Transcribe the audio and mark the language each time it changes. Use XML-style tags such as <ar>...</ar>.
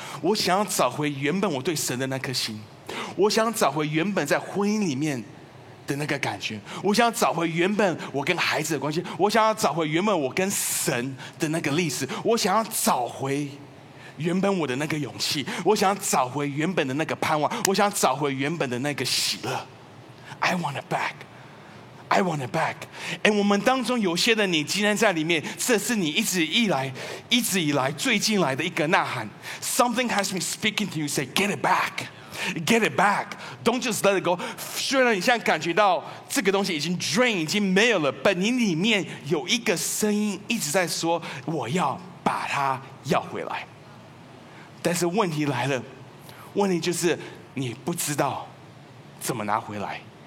<zh>我想要找回原本我对神的那颗心，我想找回原本在婚姻里面的那个感觉，我想找回原本我跟孩子的关系，我想要找回原本我跟神的那个历史，我想要找回原本我的那个勇气，我想找回原本的那个盼望，我想找回原本的那个喜乐。</zh> <en>I want it back. I want it back.</en> <zh>And 我们当中有些的你今天在里面，这是你一直以来最近来的一个呐喊。</zh> <en>Something has been speaking to you, say, get it back. Get it back. Don't just let it go.</en> <zh>虽然你现在感觉到这个东西已经</zh> <en>drain,</en> <zh>已经没有了，但你里面有一个声音一直在说，我要把它要回来。但是问题来了，问题就是你不知道怎么拿回来。</zh>